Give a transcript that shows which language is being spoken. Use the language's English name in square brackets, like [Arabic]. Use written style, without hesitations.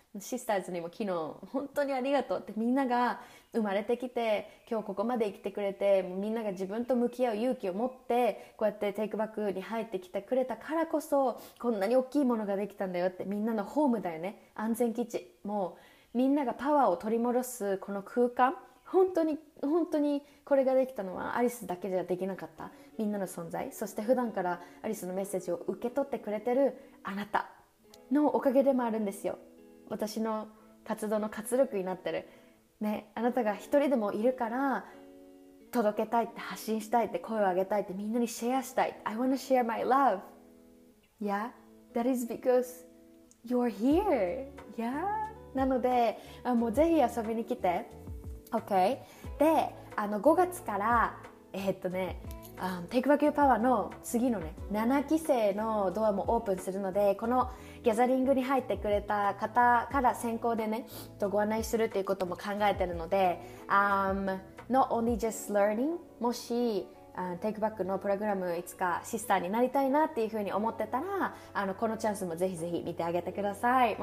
[Japanese] シスターズにも昨日本当にありがとうって、みんなが生まれてきて今日ここまで生きてくれて、みんなが自分と向き合う勇気を持ってこうやってテイクバックに入ってきてくれたからこそこんなに大きいものができたんだよって、みんなのホームだよね、安全基地、もうみんながパワーを取り戻すこの空間、本当にこれができたのはアリスだけじゃできなかったみんなの存在、そして普段からアリスのメッセージを受け取ってくれてるあなたのおかげでもあるんですよ。私の活動の活力になってる、ね、あなたが一人でもいるから届けたいって、発信したいって、声を上げたいって、みんなにシェアしたい、 [English] I wanna share my love、 yeah? That is because you're here. Yeah. [Japanese] なのでもうぜひ遊びに来て。 OK。で5月から Take Back Your Power の次のね7期生のドアもオープンするので、このギャザリングに入ってくれた方から先行でねご案内するっていうことも考えてるので、 [English] Not only just learning、 [Japanese] もしTake Back のプログラムいつかシスターになりたいなっていうふうに思ってたら、このチャンスもぜひぜひ見てあげてください。